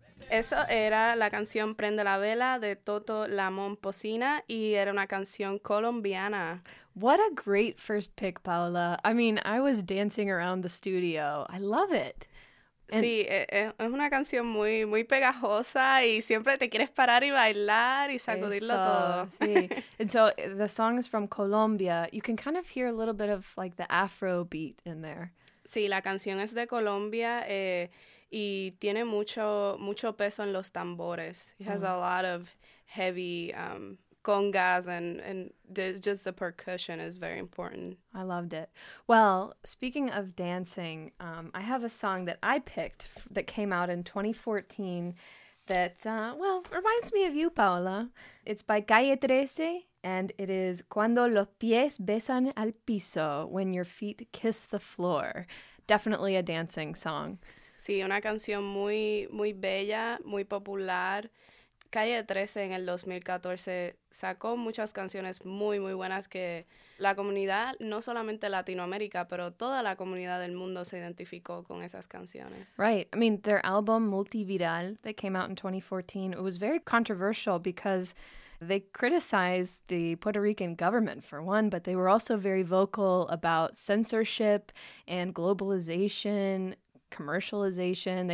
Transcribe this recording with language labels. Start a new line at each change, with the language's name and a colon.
Spanish: Eso era la canción Prende la Vela de Toto la Momposina y era una canción colombiana.
English: What a great first pick, Paola. I mean, I was dancing around the studio. I love it. And
Spanish: sí, es una canción muy, muy pegajosa y siempre te quieres parar y bailar y sacudirlo todo.
English: Sí. And so the song is from Colombia. You can kind of hear a little bit of like the Afro beat in there.
Spanish: Sí, la canción es de Colombia y tiene mucho, mucho peso en los tambores.
English: It has a lot of heavy congas and just the percussion is very important. I loved it. Well, speaking of dancing, I have a song that I picked that came out in 2014 that, well, reminds me of you, Paola. It's by Calle 13 and it is Cuando los pies besan al piso, when your feet kiss the floor. Definitely a dancing song.
Spanish: Sí, una canción muy, muy bella, muy popular. Calle 13 en el 2014 sacó muchas canciones muy, muy buenas que la comunidad, no solamente Latinoamérica, pero toda la comunidad del mundo se identificó con esas canciones.
English: Right. I mean, their album Multiviral that came out in 2014, it was very controversial because they criticized the Puerto Rican government for one, but they were also very vocal about censorship and globalization, commercialization.